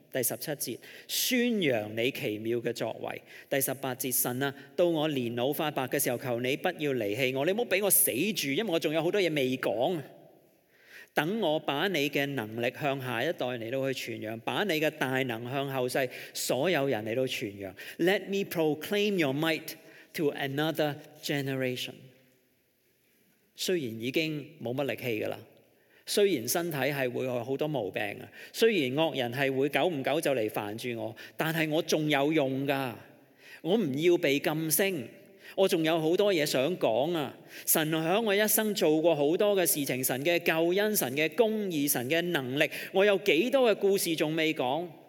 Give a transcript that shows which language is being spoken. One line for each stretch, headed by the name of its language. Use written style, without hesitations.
Cantonese: 第17节，宣扬你奇妙的作为。第18节，神啊，到我年老发白的时候，求你不要离弃我，你不要让我死住，因为我还有很多事未讲。等我把你的能力向下一代来到去传扬，把你的大能向后世所有人来到传扬。
English: Let me proclaim your might to another generation.
Cantonese: 虽然已经没什么力气了，虽然身体是会有很多毛病，虽然恶人是会久不久就来烦住我，但是我还有用的，我不要被禁声，我还有很多事想讲。神在我一生做过很多的事情，神的救恩，神的公义，神的能力，我有多少的故事还没讲。